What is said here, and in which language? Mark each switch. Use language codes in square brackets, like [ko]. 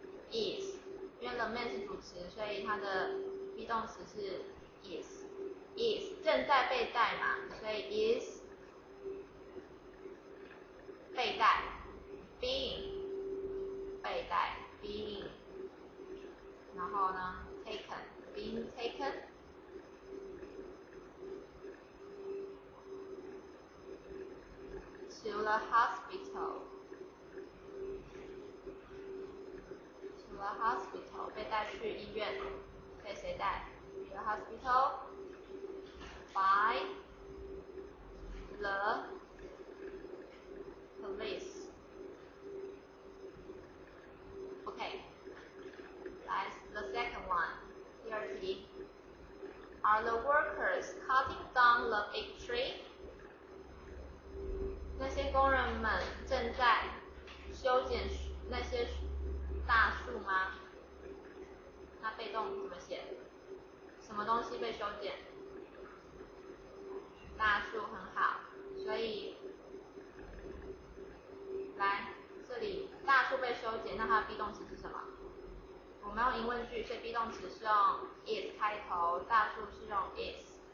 [zh] is， 因为 the man 是主词，所以它的 be 动词是 is， is 正在被带嘛，所以 is 被带， being 被带， being， 然后呢 taken， being taken [en] the hospital. To the hospital, [zh] 被带去医院，被谁带？ [en] The hospital by the police. Okay, that's the second one. Here it is. Are the workers cutting down the big tree? [zh] 那些工人们正在修剪那些大树吗？那被动怎么写？什么东西被修剪？大树，很好。所以来这里，大树被修剪，那它的 be 动词是什么？我们用疑问句，所以 be 动词是用 is 开头，大树是用 is。